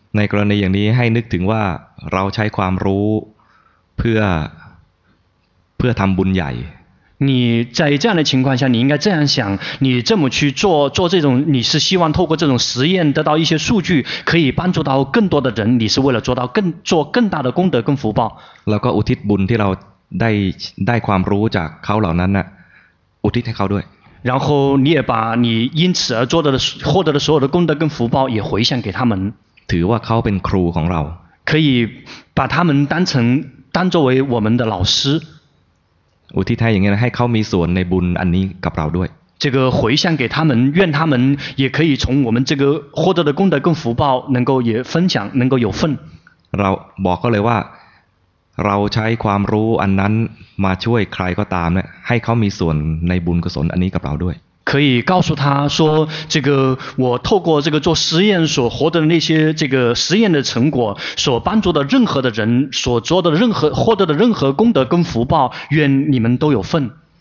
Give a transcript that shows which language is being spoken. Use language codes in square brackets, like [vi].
[th] ในกรณีอย่างนี้ให้นึกถึงว่าเราใช้ความรู้เพื่อทำบุญใหญ่ [zh] 你在这样的情况下，你应该这样想：你这么去做，做这种，你是希望透过这种实验得到一些数据，可以帮助到更多的人。你是为了做更大的功德跟福报。 [th] แล้วก็อุทิศบุญที่เราได้ความรู้จากเขาเหล่านั้นน่ะอุทิศให้เขาด้วย。 [zh] 然后你也把你因此而做的获得的所有的功德跟福报也回向给他们。 [th] ถือว่าเขาเป็นครูของเรา。 [zh] 可以把他们当作为我们的老师。 [th] อุทิศให้อย่างนี้นะให้เขามีส่วนในบุญอันนี้กับเราด้วย [zh] 这个回向给他们愿他们也可以从我们这个获得的功德跟福报能够也分享能够有份 [th] เราบอกก็เลยว่าเราใช้ความรู้อันนั้นมาช่วยใครก็ตามเนี่ยให้เขามีส่วนในบุญกุศลอันนี้กับเราด้วย [zh] 可以告诉他说这个我透过这个做实验所获得的那些这个实验的成果所帮助的任何的人所做的任何获得的任何功德跟福报愿你们都有份